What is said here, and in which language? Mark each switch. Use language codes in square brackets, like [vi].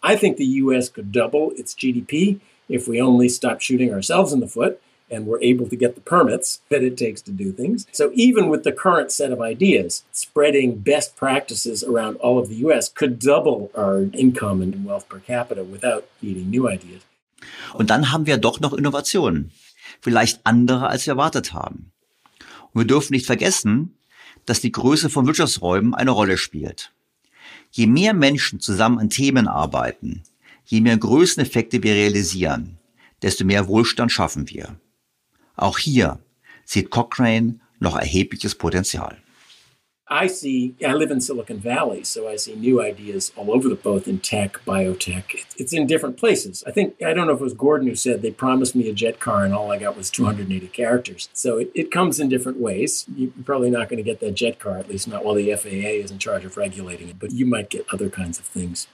[en] I think the US could double its GDP if we only stop shooting ourselves in the foot and we're able to get the permits that it takes to do things. So even with the current set of ideas, spreading best practices around all of the US could double our income and wealth per capita without needing new ideas. [de] Und dann haben wir doch noch Innovationen, vielleicht andere als wir erwartet haben. Und wir dürfen nicht vergessen, dass die Größe von Wirtschaftsräumen eine Rolle spielt. Je mehr Menschen zusammen an Themen arbeiten, je mehr Größeneffekte wir realisieren, desto mehr Wohlstand schaffen wir. Auch hier sieht Cochrane noch erhebliches Potenzial. [en] I live in Silicon Valley, so I see new ideas all over the both in tech, biotech. It's in different places. I think, I don't know if it was Gordon who said they promised me a jet car and all I got was 280 characters. So it comes in different ways. You're probably not going to get that jet car, at least not while the FAA is in charge of regulating it, but you might get other kinds of things.